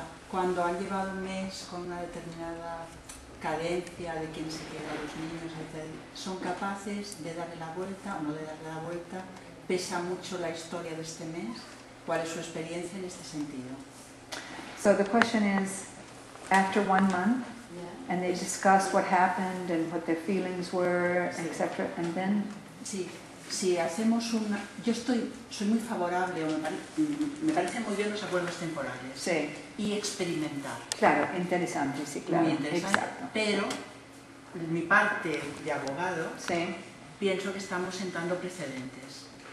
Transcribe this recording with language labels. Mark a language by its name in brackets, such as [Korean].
[Spanish] cuando han llevado un mes con una determinada cadencia de quién se queda, los niños, etc., son capaces de darle la vuelta o no de darle la vuelta. ¿Pesa mucho la historia de este mes? ¿Cuál es su experiencia en este sentido? [English] So the question is, after one month, yeah, and they discuss what happened and what their feelings were, sí, etc., and then... [Spanish] Sí. Si hacemos una... Yo estoy, soy muy favorable, o me parece muy bien los acuerdos temporales. Sí. Y experimentar. Claro, interesante, sí, claro. Muy interesante. Exacto. Pero, mi parte de abogado, sí, pienso que estamos sentando precedentes.